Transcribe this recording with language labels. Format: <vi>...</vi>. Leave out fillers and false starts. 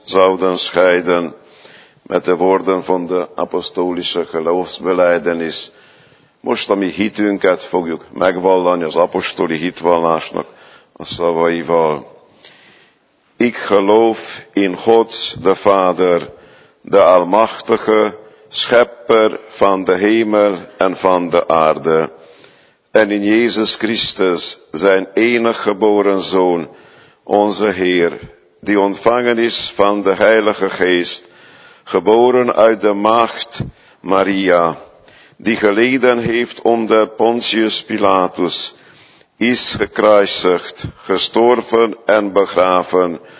<nl>zouden scheiden met de woorden van de apostolische geloofsbelijdenis.</nl> <hu>Most a mi hitünket fogjuk megvallani az apostoli hitvallásnak a szavaival.</hu> <nl>Ik geloof in God de Vader, de Almachtige, Schepper van de hemel en van de aarde. En in Jezus Christus, zijn enige geboren Zoon, onze Heer, die ontvangen is van de Heilige Geest, geboren uit de maagd Maria, die geleden heeft onder Pontius Pilatus, is gekruisigd, gestorven en begraven,</nl>